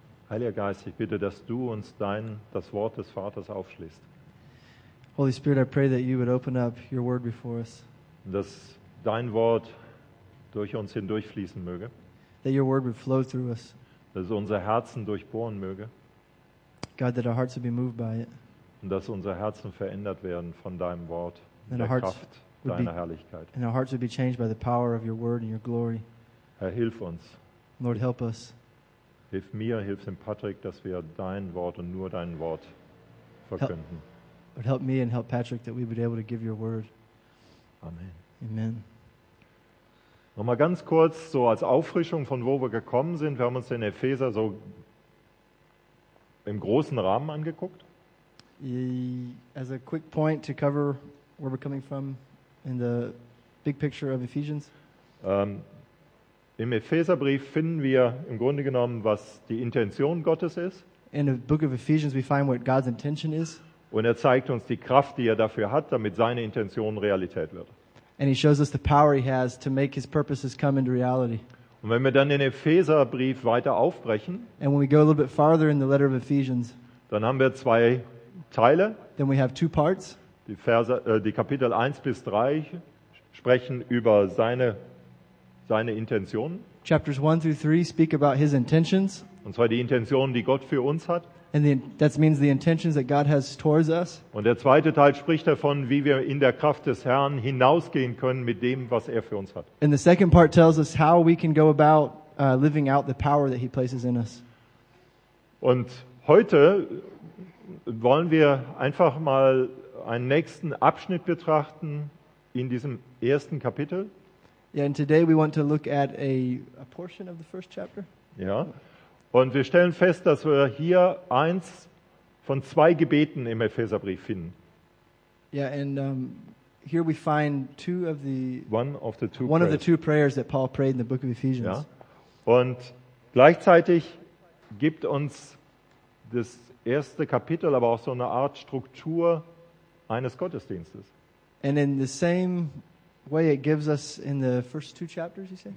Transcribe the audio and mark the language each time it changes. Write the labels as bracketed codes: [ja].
[de] Heiliger Geist, ich bitte, dass du uns das Wort des Vaters aufschließt. [en] Holy Spirit, I pray that you would open up your word before us. [de] Dass dein Wort durch uns hindurchfließen möge. [en] That your word would flow through us. [de] Dass unser Herzen durchbohren möge. [en] God, that our hearts would be moved by it. [de] Und dass unser Herzen verändert werden von deinem Wort, and der Kraft deiner Herrlichkeit. [en] And our hearts would be changed by the power of your word and your glory. [de] Herr, hilf uns. [en] Lord, help us. [de] Hilf mir, hilf dem Patrick, dass wir dein Wort und nur dein Wort verkünden. [en] But help me and help Patrick that we would be able to give your word. Amen. Amen. [de] Nochmal ganz kurz, so als Auffrischung von wo wir gekommen sind. Wir haben uns den Epheser so im großen Rahmen angeguckt. [en] As a quick point to cover where we're coming from in the big picture of Ephesians. [de] Im Epheserbrief finden wir im Grunde genommen, was die Intention Gottes ist. [en] In the book of Ephesians we find what God's intention is. [de] Und er zeigt uns die Kraft, die er dafür hat, damit seine Intention Realität wird. [en] And he shows us the power he has to make his purposes come into reality. [de] Und wenn wir dann den Epheserbrief weiter aufbrechen, [en] and when we go a little bit farther in the letter of Ephesians, [de] dann haben wir zwei Teile. [en] Then we have two parts. [de] Die Kapitel 1 bis 3 sprechen über seine Intention. [en] Chapters 1 through 3 speak about his intentions. [de] Und zwar die Intentionen, die Gott für uns hat. [en] And that means the intentions that God has towards us. [de] Und der zweite Teil spricht davon, wie wir in der Kraft des Herrn hinausgehen können mit dem, was er für uns hat. [en] And the second part tells us how we can go about living out the power that he places in us. [de] Und heute wollen wir einfach mal einen nächsten Abschnitt betrachten in diesem ersten Kapitel. [en] Yeah, and today we want to look at a portion of the first chapter. [de] Ja. Und wir stellen fest, dass wir hier 1 von zwei Gebeten im Epheserbrief finden. [en] Yeah, and here we find two of the one of the two prayers that Paul prayed in the book of Ephesians. [de] Ja. Und gleichzeitig gibt uns das erste Kapitel aber auch so eine Art Struktur eines Gottesdienstes. [en] And in the same way it gives us in the first two chapters, you say?